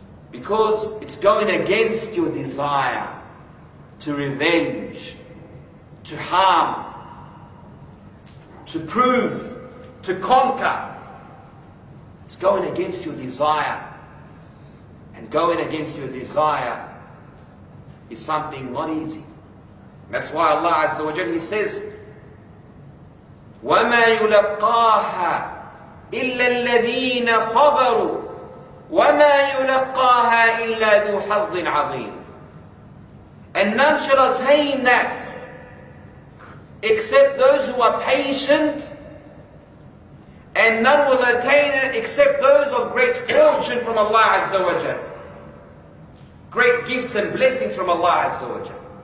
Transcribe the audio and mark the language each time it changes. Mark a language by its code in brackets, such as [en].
[en] Because it's going against your desire to revenge, to harm, to prove, to conquer. It's going against your desire. And going against your desire is something not easy. That's why Allah Azza wa Jalla, He says, [ar] وَمَا يُلَقَّاهَا إِلَّا الَّذِينَ صَبَرُوا وَمَا يُلَقَّاهَا إِلَّا ذُو حَظٍ عَظِيمٍ. [en] And none shall attain that except those who are patient, and none will attain it except those of great fortune from Allah Azza wa Jalla. Great gifts and blessings from Allah Azza wa Jalla.